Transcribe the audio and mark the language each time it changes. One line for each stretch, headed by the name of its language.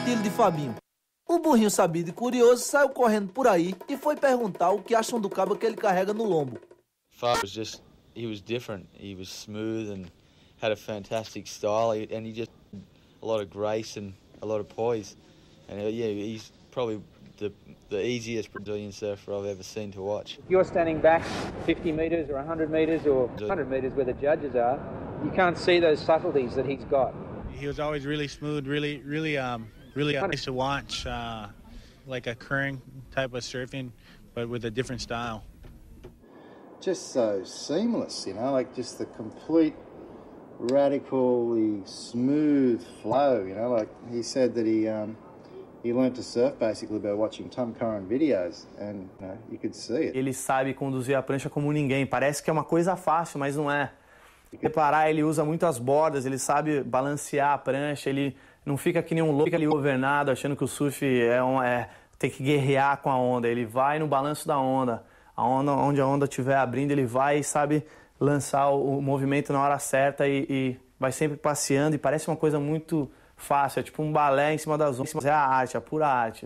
Portuguese: Fabinho. O burrinho sabido e curioso saiu correndo por aí e foi perguntar o que acham do cabo que ele carrega no lombo.
English: Fab was just, he was different. He was smooth and had a fantastic style. And he just a lot of grace and a lot of poise. And yeah, he's probably the easiest Brazilian surfer I've ever seen to watch. If you're standing back 50 meters or 100 meters or 100 meters where the judges are, you can't see those subtleties that he's got. He was always really smooth, really nice to watch, like a current type of surfing, but with a different style. Just so seamless, you know, like just the complete, radically smooth flow, you know, like he said that he learned to surf basically by watching Tom Curran videos, and you know, you could see it.
Portuguese: Ele sabe conduzir a prancha como ninguém, parece que é uma coisa fácil, mas não é. Reparar, ele usa muito as bordas, ele sabe balancear a prancha, ele não fica que nem um louco ali governado, achando que o surf tem que guerrear com a onda. Ele vai no balanço da onda. A onda, onde a onda estiver abrindo, ele vai e sabe lançar o movimento na hora certa e vai sempre passeando. E parece uma coisa muito fácil, é tipo um balé em cima das ondas. É a arte, a pura arte.